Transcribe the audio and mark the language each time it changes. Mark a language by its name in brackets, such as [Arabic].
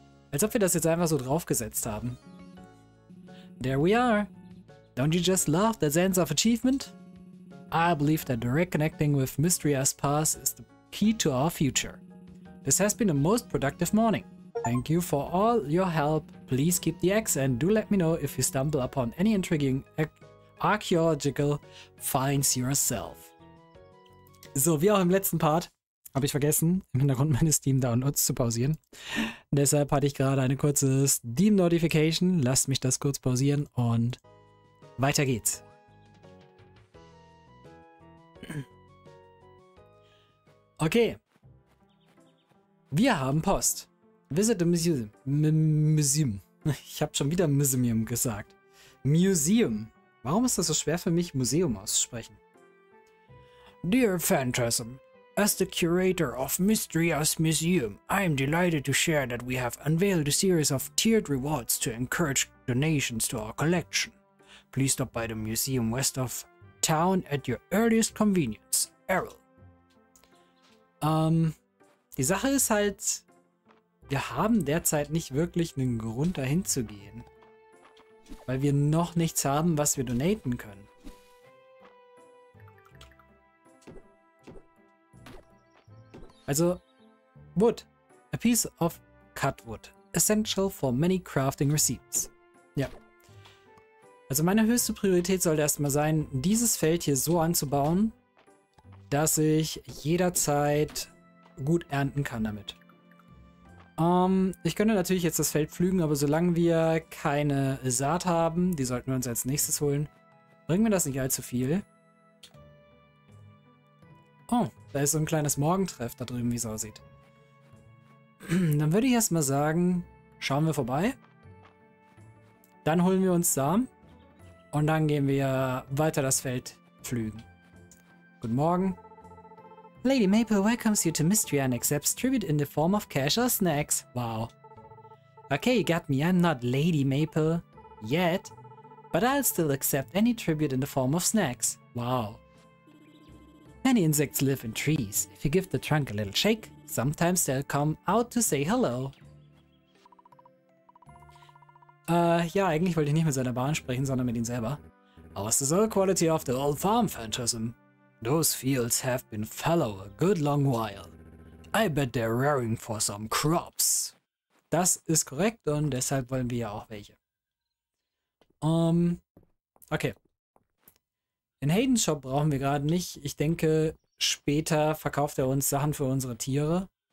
[German] Als ob wir das jetzt einfach so draufgesetzt haben. [English] There we are. Don't you just love that sense of achievement? I believe that reconnecting with Mystria's past is the key to our future. This has been a most productive morning. Thank you for all your help. Please keep the eggs and do let me know if you stumble upon any intriguing archaeological finds yourself. [German] So, wie auch im letzten Part, habe ich vergessen, im Hintergrund meine Steam-Downloads zu pausieren. Deshalb hatte ich gerade eine kurze Steam-Notification. Lasst mich das kurz pausieren und weiter geht's. Okay. Wir haben Post. [English] Visit the Museum. [German] Museum. Ich habe schon wieder Museum gesagt. Museum. Warum ist das so schwer für mich, Museum auszusprechen? [English] Dear Phantasm, as the curator of Mystria's Museum, I am delighted to share that we have unveiled a series of tiered rewards to encourage donations to our collection. Please stop by the museum west of town at your earliest convenience. Errol. [German] Die Sache ist halt, wir haben derzeit nicht wirklich einen Grund, dahin zu gehen. Weil wir noch nichts haben, was wir donaten können. [English] Also, Wood. A piece of cut wood. Essential for many crafting receipts. [German] Ja. Also meine höchste Priorität sollte erstmal sein, dieses Feld hier so anzubauen, dass ich jederzeit gut ernten kann damit. Ich könnte natürlich jetzt das Feld pflügen, aber solange wir keine Saat haben, die sollten wir uns als nächstes holen, bringen wir das nicht allzu viel. Oh, da ist so ein kleines Morgentreff da drüben, wie es aussieht. Dann würde ich erstmal sagen, schauen wir vorbei. Dann holen wir uns Samen. Und dann gehen wir weiter das Feld pflügen. Guten Morgen. [English] Lady Maple welcomes you to Mystria and accepts tribute in the form of cash or snacks. Wow. Okay, you got me. I'm not Lady Maple. Yet. But I'll still accept any tribute in the form of snacks. Wow. Many insects live in trees. If you give the trunk a little shake, sometimes they'll come out to say hello. [German] Ja, eigentlich wollte ich nicht mit seiner Bahn sprechen, sondern mit ihm selber. [English] How's the soil quality of the old farm, Phantasm? Those fields have been fallow a good long while. I bet they're raring for some crops. [German] Das ist korrekt und deshalb wollen wir ja auch welche. Okay. In Haydens Shop brauchen wir gerade nicht. Ich denke, später verkauft er uns Sachen für unsere Tiere.